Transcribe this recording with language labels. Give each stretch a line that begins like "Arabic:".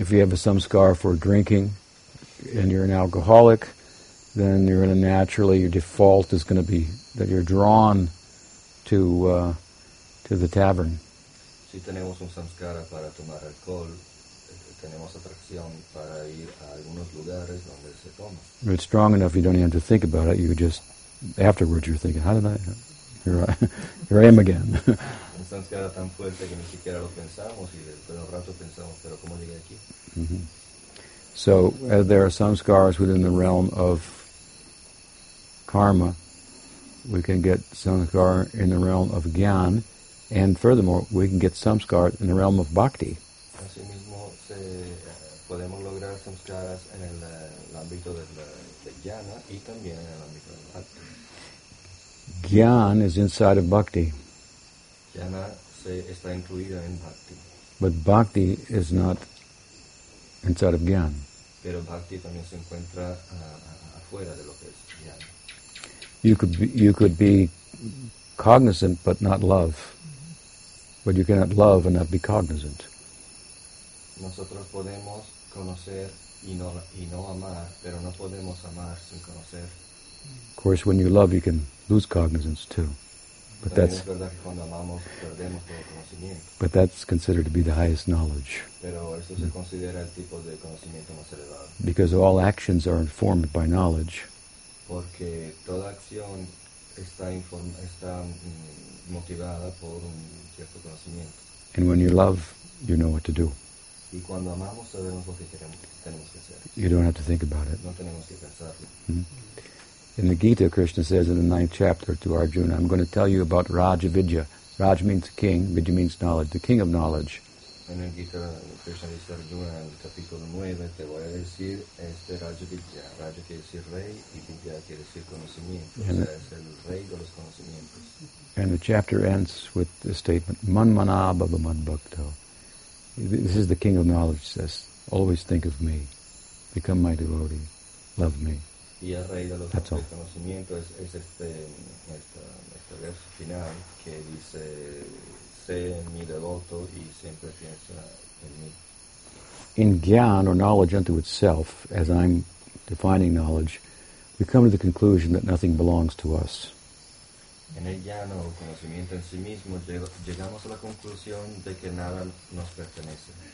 English: If you have a samskara for drinking and you're an alcoholic, then you're going to naturally, your default is going to be that you're drawn to the tavern.
Spanish: Si tenemos un samskara para tomar alcohol, tenemos atracción para ir a algunos lugares donde se toma.
English: If it's strong enough, you don't even have to think about it. You just, afterwards you're thinking, how did I, here I am again.
Spanish: Un samskara tan fuerte que ni siquiera lo pensamos y después de un rato pensamos, pero ¿cómo llegué aquí?
English: So there are some scars within the realm of karma. We can get some scar in the realm of gyan, and furthermore, we can get some scar in the realm of bhakti.
Spanish: Asimismo, podemos lograr
English: some scars
Spanish: en el ámbito de gyana y también en el ámbito de bhakti.
English: Gyan is inside of bhakti.
Spanish: Gyana está incluida en bhakti.
English: But bhakti is not inside of gyan.
Spanish: Pero bhakti también se encuentra afuera de lo que es gyan.
English: You could be cognizant but not love. But you cannot love and not be cognizant.
Spanish: Nosotros podemos conocer y no amar, pero no podemos amar sin conocer.
English: Of course, when you love, you can lose cognizance too. But
Spanish: también
English: that's
Spanish: es verdad que cuando amamos, perdemos todo conocimiento.
English: But that's considered to be the highest knowledge.
Spanish: Pero esto se considera el tipo de conocimiento más elevado.
English: Because all actions are informed by knowledge.
Spanish: Porque toda acción está motivada por un cierto conocimiento.
English: And when you love, you know what to do.
Spanish: Y cuando amamos, sabemos lo que tenemos que hacer.
English: You don't have to think about it.
Spanish: No tenemos que pensarlo.
English: In the Gita, Krishna says in the 9th chapter to Arjuna, I'm going to tell you about Rajavidya. Raj means king, Vidya means knowledge, the king of knowledge. In the Gita, Krishna says to Arjuna in chapter 9,
Spanish: te voy a decir este Rajavidya. Raja quiere decir rey y Vidya quiere decir conocimiento. O sea, es el rey de los conocimientos.
English: And the chapter ends with the statement, Manmana Bhava Madbhakto. This is the king of knowledge, says, always think of me, become my devotee, love me.
Spanish: Y el rey de los conocimientos es este verso final que dice, sé mi devoto y siempre piensa en mí.
English: In gyan, or knowledge unto itself, as I'm defining knowledge, we come to the conclusion that nothing belongs to us.
Spanish: En el gyan, o conocimiento en sí mismo, llegamos a la conclusión de que nada nos pertenece.